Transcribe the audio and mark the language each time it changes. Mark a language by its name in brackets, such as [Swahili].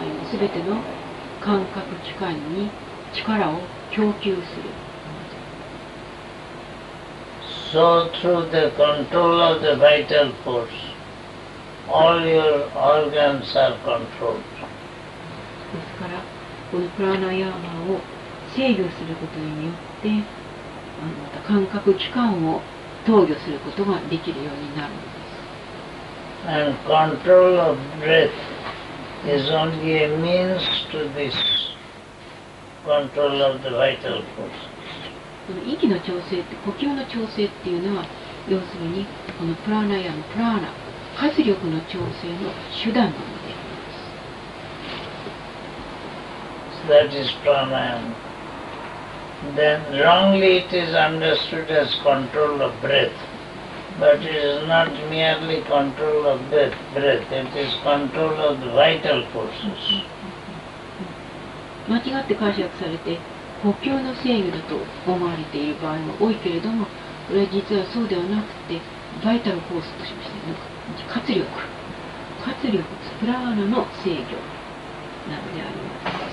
[Japanese] すべての感覚器官に力を供給する。 [English] So through the control of the vital force, all your organs are controlled. [Japanese] ですから、このプラナヤーマを制御することによって、また感覚器官を統御することができるようになるんです。 [English] And control of breath. Is only a means to this control of the vital force. [Japanese] 息の調整って、呼吸の調整っていうのは、要するにこのプラナヤマ、プラナ、活力の調整の手段なのであります。 [English] So that is pranayama. Then wrongly it is understood as control of breath. But it is not merely control of breath, it is control of the vital forces. [Japanese] 間違って解釈されて、呼吸の制御だと思われている場合も多いけれども、これは実はそうではなくて、 [English] vital force [Japanese] としまして、活力、活力、プラーナの制御なのであります。